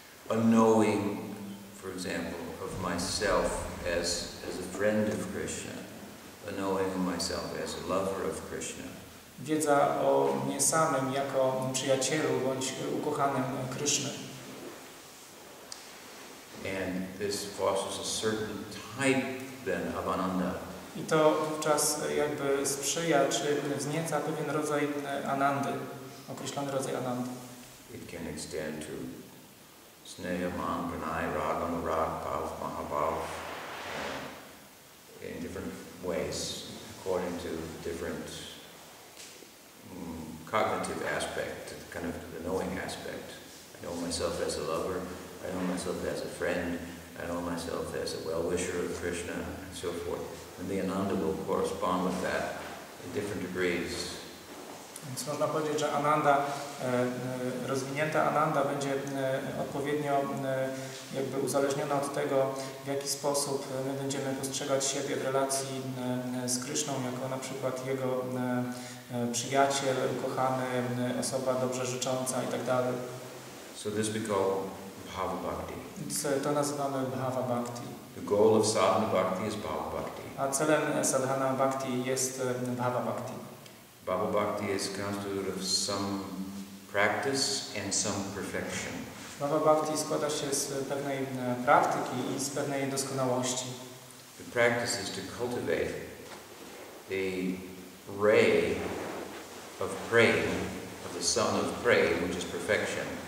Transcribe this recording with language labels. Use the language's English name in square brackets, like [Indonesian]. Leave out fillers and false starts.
[English] A knowing, for example, of myself as a friend of Krishna, a knowing of myself as a lover of Krishna. [Polish] Wiedza o mnie samym jako przyjacielu bądź ukochanym Krishna. [English] And this fosters a certain type then of ananda. [Polish] I to wówczas jakby sprzyja czy wznieca pewien rodzaj anandy, określony rodzaj anandy. [English] It can extend to sneha, man, pranay, raga, murag, bhav, mahabhav, in different ways, according to different cognitive aspect, kind of the knowing aspect. I know myself as a lover, I know myself as a friend, I know myself as a well-wisher of Krishna, and so forth. And the ananda will correspond with that in different degrees. [Polish] Więc można powiedzieć, że ananda, rozwinięta ananda będzie odpowiednio jakby uzależniona od tego, w jaki sposób my będziemy postrzegać siebie w relacji z Krishną, jako na przykład jego przyjaciel, ukochany, osoba dobrze życząca itd. [English] So this we call bhava bhakti. [Polish] To nazywamy bhava bhakti. [English] The goal of sadhana bhakti is bhava bhakti. [Polish] A celem sadhana bhakti jest bhava bhakti. [English] Bhava bhakti is constituted of some practice and some perfection. [Polish] Bhava bhakti składa się z pewnej praktyki i z pewnej doskonałości. [English] The practice is to cultivate the ray of praying, of the sun of praying, which is perfection.